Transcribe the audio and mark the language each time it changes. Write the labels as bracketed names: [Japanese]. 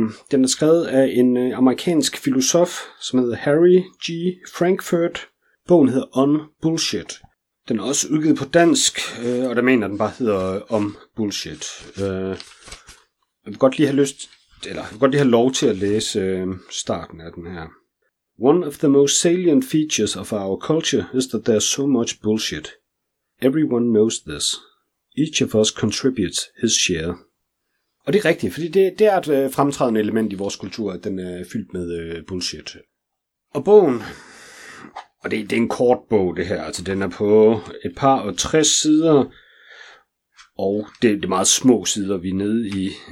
[Danish] Den er skrevet af en amerikansk filosof, som hedder Harry G. Frankfurt. Bogen hedder On Bullshit. Den er også udgivet på dansk, og der mener den bare hedder Om Bullshit. Jeg vil godt lige have lov til at læse starten af den her. [English] One of the most salient features of our culture is that there's so much bullshit. Everyone knows this. Each of us contributes his share. [Danish] Og det er rigtigt, fordi det er et fremtrædende element i vores kultur, at den er fyldt med bullshit. Og bogen, og det er en kort bog det her, altså den er på et par og 60 sider, og det er meget små sider, vi er nede i.